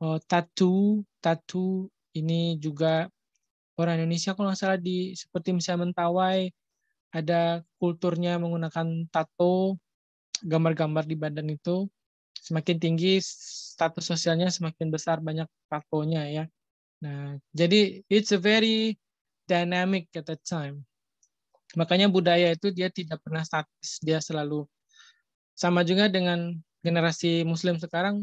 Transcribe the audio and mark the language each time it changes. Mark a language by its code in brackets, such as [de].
[id] Tattoo ini juga orang Indonesia kalau nggak salah di seperti misalnya Mentawai ada kulturnya menggunakan tato, gambar-gambar di badan itu semakin tinggi status sosialnya semakin besar banyak tatonya ya. Nah, jadi [en] it's a very dynamic at that time. [id] Makanya budaya itu dia tidak pernah statis, dia selalu sama juga dengan generasi Muslim sekarang.